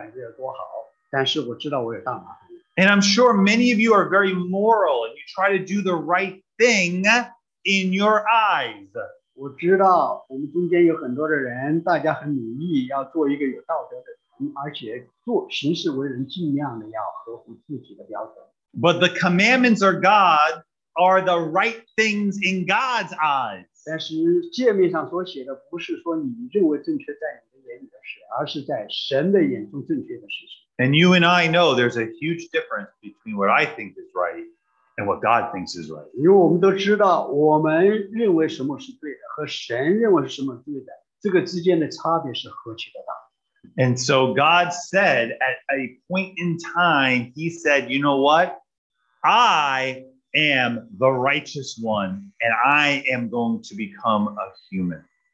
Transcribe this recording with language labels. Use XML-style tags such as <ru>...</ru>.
<zh>如果我不管我自己自我感觉有多好，但是我知道我有大麻烦。</zh> <en>And I'm sure many of you are very moral and you try to do the right thing in your eyes.</en> <zh>我知道我们中间有很多的人，大家很努力要做一个有道德的人。而且做行事为人，尽量的要合乎自己的标准。</zh> <en>But the commandments of God are the right things in God's eyes.</en> <zh>但是诫命上所写的，不是说你认为正确在你的眼里的事，而是在神的眼中正确的事情。</zh> <en>And you and I know there's a huge difference between what I think is right and what God thinks is right.</en> <zh>因为我们都知道，我们认为什么是对的，和神认为什么是对的，这个之间的差别是何其的大。</zh> <en>And so God said at a point in time, he said, you know what? I am the righteous one, and I am going to become a human.</en>